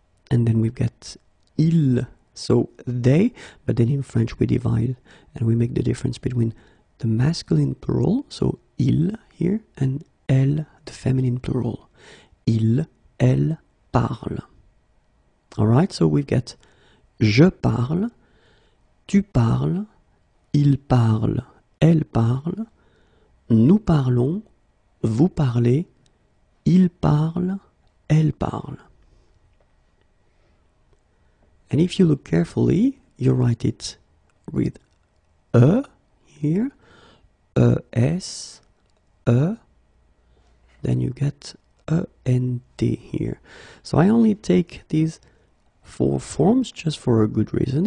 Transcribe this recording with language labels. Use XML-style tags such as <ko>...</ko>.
<en>and then we've got il, so they, but then in French we divide and we make the difference between the masculine plural, so il here, and elle, the feminine plural.</en> <fr>Il, elle, parle.</fr> <en>Alright, so we've got</en> <fr>je parle, tu parles, il parle, elle parle, nous parlons, vous parlez, il parle, elle parle.</fr> <en>And if you look carefully, you write it with e here, E-S, E, then you get E-N-T here. So I only take these four forms just for a good reason.</en>